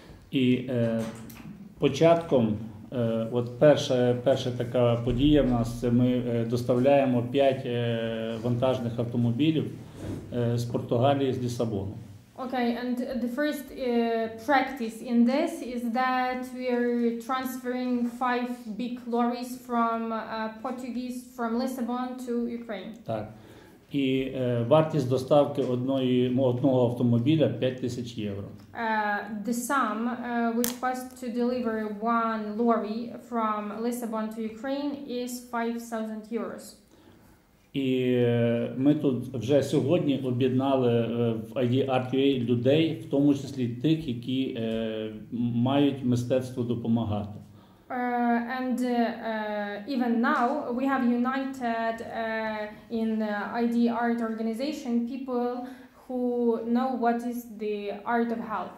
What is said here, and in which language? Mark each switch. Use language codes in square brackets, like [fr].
[uk] І початком, от перша така подія в нас, це ми доставляємо 5 вантажних автомобілів з Португалії, з Лісабону. [en] Okay, and the first practice in this is that we are transferring 5 big lorries from Portuguese, from Lisbon to Ukraine. [uk] Так. І вартість доставки одного автомобіля 5000 євро. [en] The sum which cost to deliver one lorry from Lisbon to Ukraine is 5000 euros. [uk] І ми тут вже сьогодні об'єднали в ID Art UA людей, в тому числі тих, які мають мистецтво допомагати. [en] And even now, we have united in ID Art Organization people who know what is the art of help.